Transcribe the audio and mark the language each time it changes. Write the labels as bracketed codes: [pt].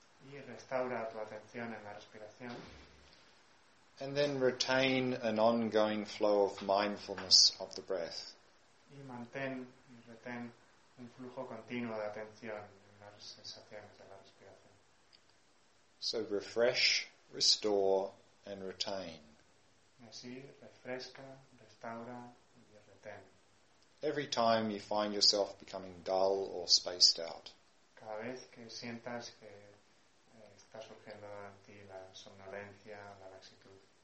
[es] Y restaura tu atención en la respiración. [en] And then retain an ongoing flow of mindfulness of the breath. [es] Y mantén y retén un flujo continuo de atención en las sensaciones de la respiración. [en] So refresh, restore, and retain. [es] Y así refresca, restaura y retén. [en] Every time you find yourself becoming dull or spaced out. [es] Cada vez que sientas que está surgiendo en ti la somnolencia, la laxitud.